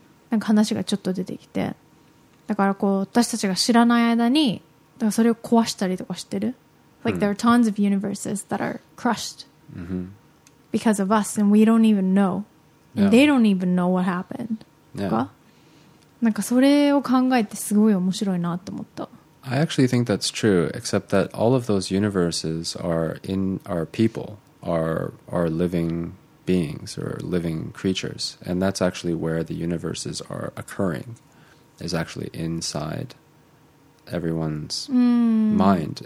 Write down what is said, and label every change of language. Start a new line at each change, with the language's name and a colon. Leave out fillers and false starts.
Japanese: なんか話がちょっと出てきて、だからこう私たちが知らない間にだからそれを壊したりとかしてる。
English: Like there are tons of universes that are crushed because of us, and we don't even know. And they don't even know what happened.
Japanese: なんかそれを考えてすごい面白いなって思った。
English: I actually think that's true, except that all of those universes are in our people, are living beings or living creatures. And that's actually where the universes are occurring, is actually inside everyone's mind.